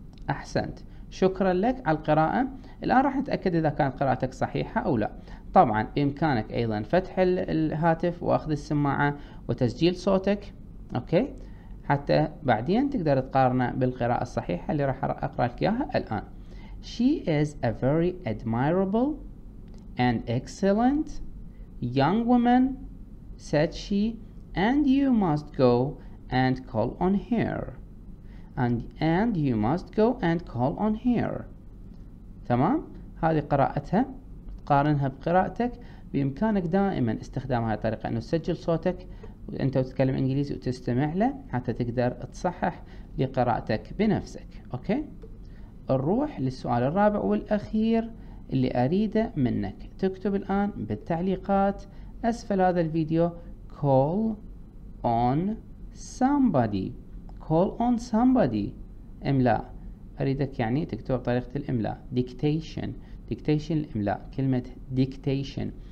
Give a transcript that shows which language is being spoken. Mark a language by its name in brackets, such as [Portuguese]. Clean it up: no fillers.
[Arabic] احسنت شكرا لك على القراءه الان راح نتاكد اذا كانت قراءتك صحيحه او لا طبعا بامكانك ايضا فتح الهاتف واخذ السماعه وتسجيل صوتك اوكي حتى بعدين تقدر تقارنه بالقراءه الصحيحه اللي راح اقرا لك اياها الان [English] She is a very admirable and excellent young woman, said she, and you must go and call on her. And you must go and call on her. [Arabic] تمام؟ هذه قراءتها. قارنها بقراءتك. بإمكانك دائما استخدام هذه الطريقة أنه تسجل صوتك وأنت تتكلم إنجليزي وتستمع له حتى تقدر تصحح لقراءتك بنفسك. أوكي؟ نروح للسؤال الرابع والأخير اللي أريده منك تكتب الآن بالتعليقات أسفل هذا الفيديو call on somebody call on somebody إملاء أريدك يعني تكتب طريقة الإملاء dictation الإملاء كلمة dictation